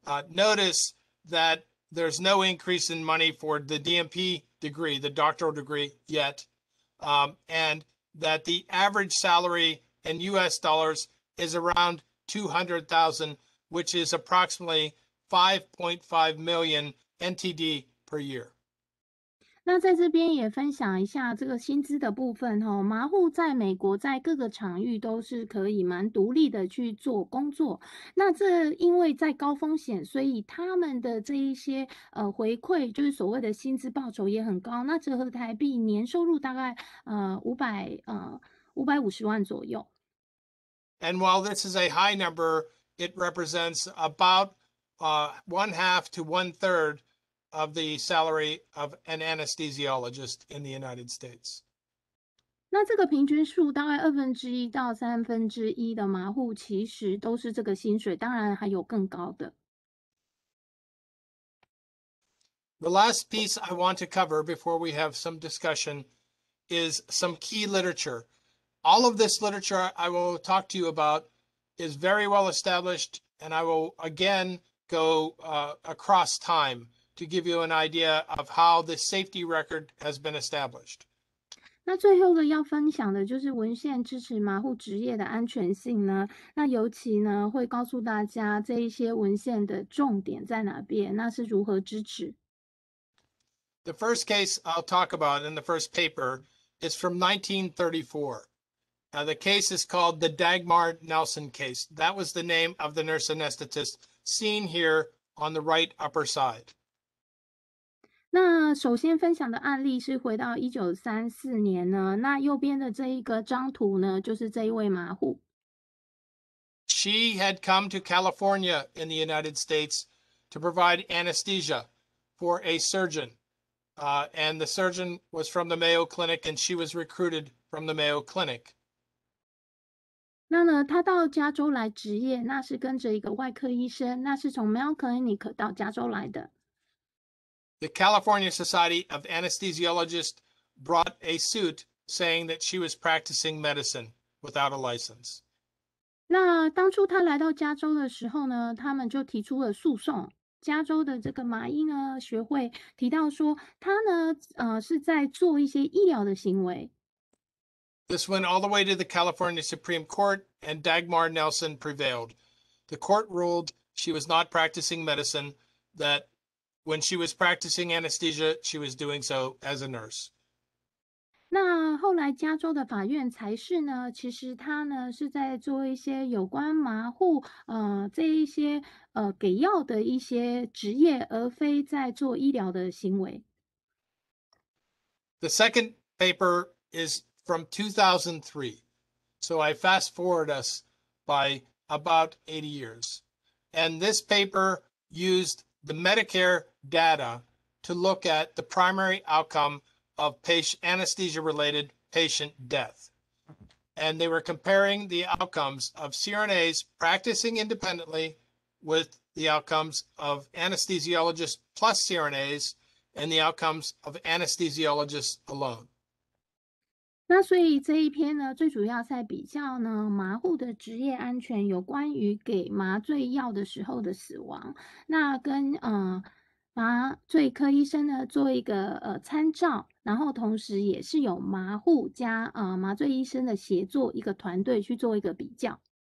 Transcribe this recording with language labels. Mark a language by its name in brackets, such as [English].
[English] Notice that there's no increase in money for the DMP degree, the doctoral degree yet, and that the average salary in US dollars is around 200,000, which is approximately 5.5 million NTD per year. [Chinese] 那在这边也分享一下这个薪资的部分哦。麻醐在美国在各个场域都是可以蛮独立的去做工作。那这因为在高风险，所以他们的这一些回馈，就是所谓的薪资报酬也很高。那折合台币年收入大概550万左右。 [English] And while this is a high number, it represents about one half to one third. Of the salary of an anesthesiologist in the United States. [Chinese] 那这个平均数大概二分之一到三分之一的麻户其实都是这个薪水，当然还有更高的。 [English] The last piece I want to cover before we have some discussion is some key literature. All of this literature I will talk to you about is very well established, and I will again go across time to give you an idea of how the safety record has been established. [Chinese] 那最后的要分享的就是文献支持麻户职业的安全性呢，那尤其呢会告诉大家这一些文献的重点在哪边，那是如何支持。 [English] The first case I'll talk about in the first paper is from 1934. Now, the case is called the Dagmar Nelson case. That was the name of the nurse anesthetist seen here on the right upper side. [Chinese] 那首先分享的案例是回到1934年呢，那右边的这一个张图呢，就是这一位麻户。 [English] She had come to California in the United States to provide anesthesia for a surgeon. And the surgeon was from the Mayo Clinic, and she was recruited from the Mayo Clinic. [Chinese] 那呢，她到加州来执业，那是跟着一个外科医生，那是从 Mayo Clinic 到加州来的。 [English] The California Society of Anesthesiologists brought a suit saying that she was practicing medicine without a license. [Chinese] 那当初她来到加州的时候呢，他们就提出了诉讼。加州的这个麻医呢学会提到说他呢是在做一些医疗的行为。 [English] This went all the way to the California Supreme Court and Dagmar Nelson prevailed. The court ruled she was not practicing medicine, that when she was practicing anesthesia, she was doing so as a nurse. [Chinese] 那后来加州的法院才是呢，其实他呢是在做一些有关麻户这一些给药的一些职业，而非在做医疗的行为。 [English] The second paper is from 2003, so I fast forward us by about 80 years, and this paper used the Medicare data to look at the primary outcome of anesthesia-related patient death, and they were comparing the outcomes of CRNAs practicing independently. With the outcomes of anesthesiologists plus CRNAs and the outcomes of anesthesiologists alone. [Chinese] 那所以这一篇呢，最主要在比较呢麻户的职业安全，有关于给麻醉药的时候的死亡，那跟麻醉科医生呢做一个参照，然后同时也是有麻户加麻醉医生的协作一个团队去做一个比较。